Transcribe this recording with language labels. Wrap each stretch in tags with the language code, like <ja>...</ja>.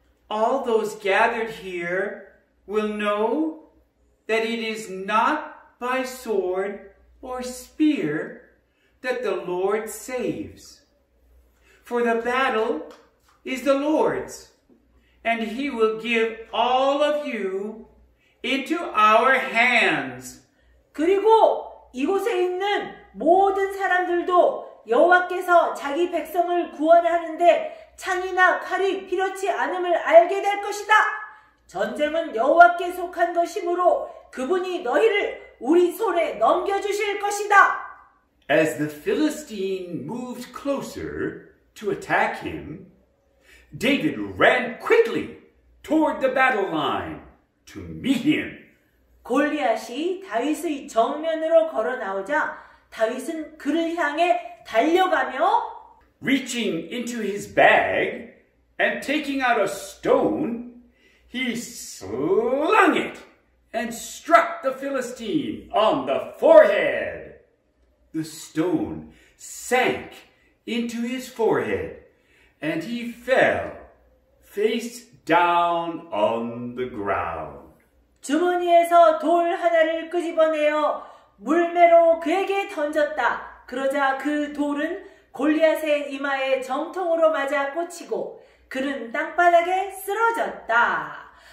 <en>All those gathered here will know that it is not by sword or spear that the Lord saves. For the battle is the Lord's, and he will give all of you into our hands.</en> <ko>그리고 이곳에 있는 모든 사람들도 여호와께서 자기 백성을 구원하는데 창이나 칼이 필요치 않음을 알게 될 것이다. 전쟁은 여호와께 속한 것이므로 그분이 너희를 우리 손에 넘겨주실 것이다.</ko> <en>As the Philistine moved closer to attack him, David ran quickly toward the battle line to meet him.</en> <ko>골리앗이 다윗의 정면으로 걸어 나오자 다윗은 그를 향해 달려가며</ko> <en>reaching into his bag and taking out a stone, he slung it and struck the Philistine on the forehead. The stone sank into his forehead, and he fell face down on the ground.</en> <ko>주머니에서 돌 하나를 끄집어내어 물매로 그에게 던졌다. 그러자 그 돌은 골리앗의 이마에 정통으로 맞아 꽂히고 그는 땅바닥에 쓰러졌다.</ko>